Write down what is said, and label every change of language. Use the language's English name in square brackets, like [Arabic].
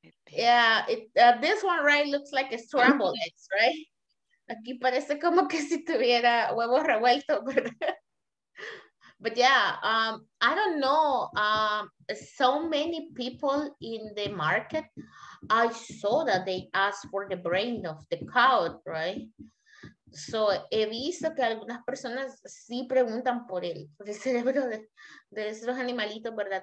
[English] Yeah, this one, right, looks like a scrambled eggs, right? [Spanish] Aquí parece como que si tuviera huevo revuelto, ¿verdad? [English] But yeah, I don't know. So many people in the market, I saw that they asked for the brain of the cow, right? [Spanish] So he visto que algunas personas sí preguntan por el cerebro de esos animalitos, ¿verdad?